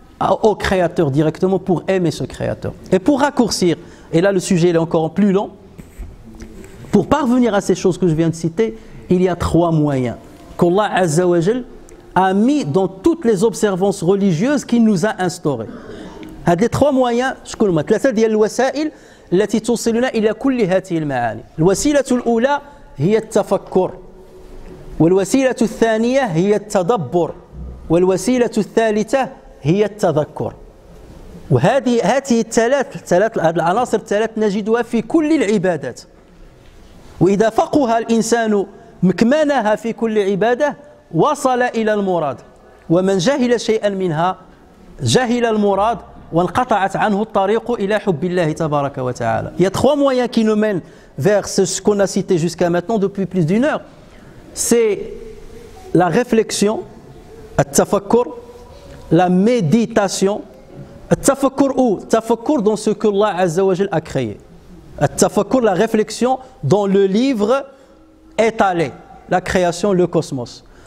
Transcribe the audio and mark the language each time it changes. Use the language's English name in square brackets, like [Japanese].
[French] au Créateur directement pour aimer ce Créateur. Et pour raccourcir, et là le sujet est encore plus long, pour parvenir à ces choses que je viens de citer, il y a trois moyens qu'Allah Azza wa Jal a mis dans toutes les observances religieuses qu'il nous a instaurées. Il y a trois moyens, je connais moi, trois des wasa'ils [Arabic] التي توصلنا إلى كل هذه المعاني. الوسيلة الأولى هي التفكر، والوسيلة الثانية هي التدبر، والوسيلة الثالثة هي التذكر. وهذه الثلاث العناصر الثلاث نجدها في كل العبادات، وإذا فقه الإنسان مكمنها في كل عبادة وصل إلى المراد، ومن جهل شيئا منها جهل المراد وانقطعت عنه الطريق إلى حب الله تبارك وتعالى. [French] Il y a trois moyens qui nous mènent vers ce qu'on a cité jusqu'à maintenant depuis plus d'une heure. C'est la réflexion, التفكر, la méditation, التفكر où? التفكر dans ce que Allah Azza wa Jal a créé. التفكر, la réflexion dans le livre étalé, la création, le cosmos.